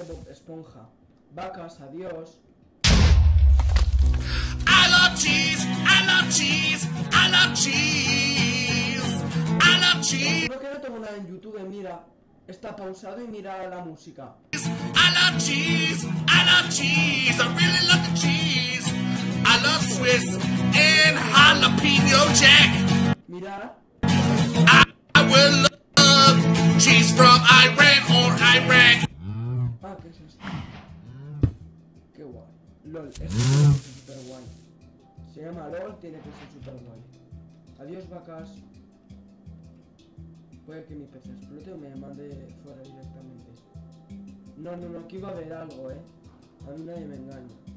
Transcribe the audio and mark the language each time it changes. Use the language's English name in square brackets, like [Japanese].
[Spanish] Esponja. Vacas, adiós. [English] I love cheese, I love cheese, I love cheese, I love cheese. [Spanish] Creo que no tengo nada en YouTube, mira. Está pausado y mira la música. [English] I love cheese, I really love the cheese. I love Swiss and jalapeno jack. Mira. I will love cheese from Iran or Iraq. [Spanish] Qué guay. LOL, esto tiene que ser super guay. Se llama LOL, tiene que ser super guay. Adiós, vacas. Puede que mi PC explote o me mande fuera directamente. No, no, no, aquí va a haber algo, A mí nadie me engaña.